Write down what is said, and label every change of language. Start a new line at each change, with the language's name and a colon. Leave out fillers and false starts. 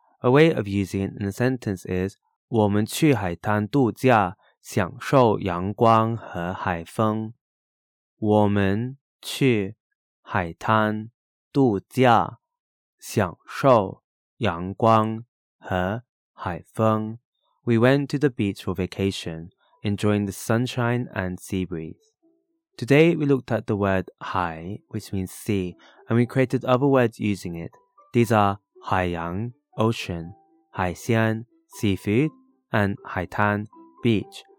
English: A way of using it in a sentence is
Chinese: 我们去海滩度假,享受阳光和海风。我们去海滩度假,享受阳光和海风。
English: We went to the beach for vacation. Enjoying the sunshine and sea breeze. Today we looked at the word 海, which means sea, and we created other words using it. These are 海洋, ocean, 海鲜, seafood, and 海滩, beach.